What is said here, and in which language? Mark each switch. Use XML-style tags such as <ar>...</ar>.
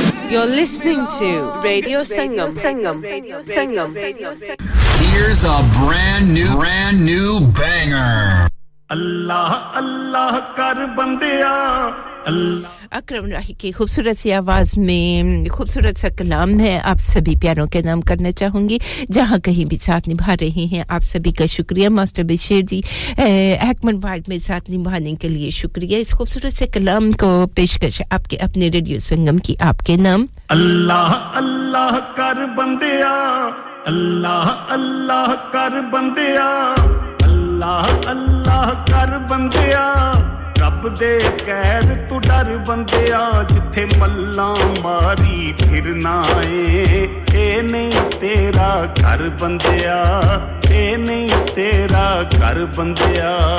<en>You're listening to Radio Sangam. Here's a brand new banger.</en> <pa>Allah Allah kar bandeya Allah</pa> <hi>अकरम राही की खूबसूरत सी आवाज में खूबसूरत सा कलाम है आप सभी प्यारों के नाम करना चाहूंगी जहां कहीं भी साथ निभा रहे हैं आप सभी का शुक्रिया मास्टर बशीर जी एक्मन वार्ड में साथ निभाने के लिए शुक्रिया इस खूबसूरत से कलाम को पेशकश आपके अपने रेडियो संगम की आपके नाम</hi> <pa>अल्लाह अल्लाह कर बंदिया अल्लाह अल्लाह कर बंदिया अल्लाह अल्लाह कर बंदिया ਰੱਬ ਦੇ ਕੈਦ ਤੂੰ ਡਰ ਬੰਦਿਆ ਜਿੱਥੇ ਮੱਲਾਂ ਮਾਰੀ ਫਿਰਨਾ ਏ ਇਹ ਨਹੀਂ ਤੇਰਾ ਘਰ ਬੰਦਿਆ ਇਹ ਨਹੀਂ ਤੇਰਾ ਘਰ ਬੰਦਿਆ</pa>